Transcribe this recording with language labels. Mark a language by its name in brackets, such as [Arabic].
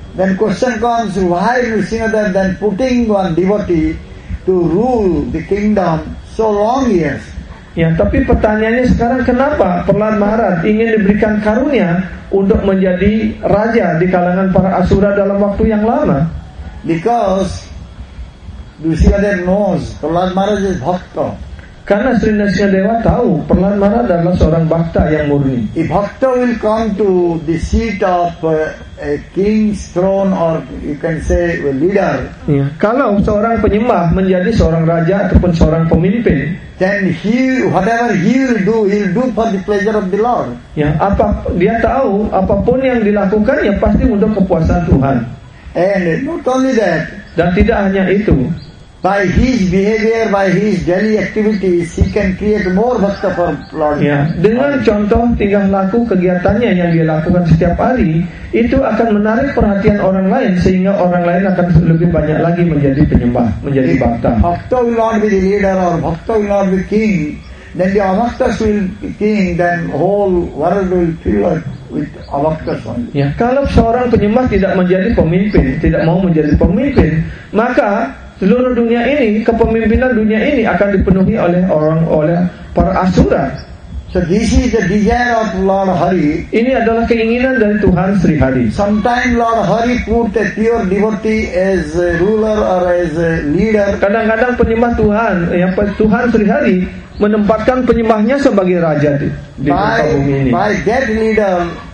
[English] Then question comes, why Nrisimha Deva then putting one devotee to rule the kingdom so long years? [Indonesian] Ya, tapi pertanyaannya sekarang, kenapa Prahlad Maharaj ingin diberikan karunia untuk menjadi raja di kalangan para asura dalam waktu yang lama? [English] Because Nrisimha Deva knows Prahlad Maharaj is bhakta. [Indonesian] Karena Sri Nrisimha Deva tahu Prahlad Maharaj adalah seorang bhakta yang murni. [English] If bhakta will come to the seat of a king's throne or you can say a leader. [Indonesian] Ya. Kalau seorang penyembah menjadi seorang raja ataupun seorang pemimpin, [English] then he whatever he'll do for the pleasure of the Lord. [Indonesian] Ya, apa dia tahu apapun yang dilakukan ya pasti untuk kepuasan Tuhan. [English] And not only that. [Indonesian] Dan tidak hanya itu. [English] By his behavior, by his daily activities, he can create more bhakta for Lord. [Indonesian] Ya, dengan contoh tingkah laku kegiatannya yang dia lakukan setiap hari, itu akan menarik perhatian orang lain sehingga orang lain akan lebih banyak lagi menjadi penyembah, menjadi bhakta. [English] Bhakta will not be the leader or bhakta will not be king, then the avaktas will be king, then whole world will fill up with avaktas only. [Indonesian] Ya, kalau seorang penyembah tidak menjadi pemimpin, tidak mau menjadi pemimpin, maka seluruh dunia ini, kepemimpinan dunia ini akan dipenuhi oleh para asura. [English] So this is the desire of Lord Hari. [Indonesian] Ini adalah keinginan dari Tuhan Sri Hari. [English] Sometimes Lord Hari put a pure devotee as a ruler or as a leader. [Indonesian] Kadang-kadang penyembah Tuhan, yang Tuhan Sri Hari menempatkan penyembahnya sebagai raja di muka bumi ini. [English] By that leader,